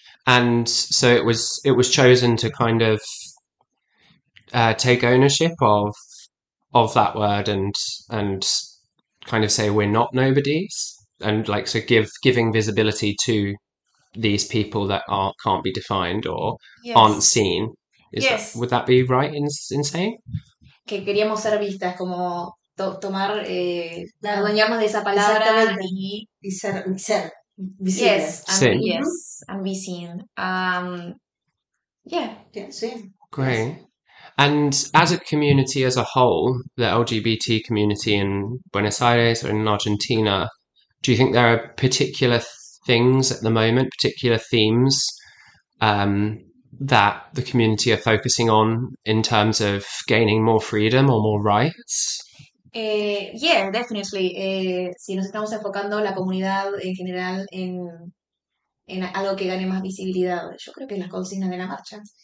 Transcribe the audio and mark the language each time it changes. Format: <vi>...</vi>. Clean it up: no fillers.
<en>And so it was chosen to kind of take ownership of that word and kind of say we're not nobodies and like so giving visibility to these people that can't be defined or yes. aren't seen. Is yes. That, would that be right in saying?</en> <es>Que queríamos ser vistas como tomar, adueñarnos de esa palabra y ser visible.</es> <en>Yes, and yes, and be seen. Yeah. Great. Yes. And as a community as a whole, the LGBT community in Buenos Aires or in Argentina, do you think there are particular things at the moment, particular themes that the community are focusing on in terms of gaining more freedom or more rights? Yeah, definitely.</en> <es>Si nos estamos enfocando la comunidad en general en algo que gane más visibilidad, yo creo que es las consignas de la marcha.</es>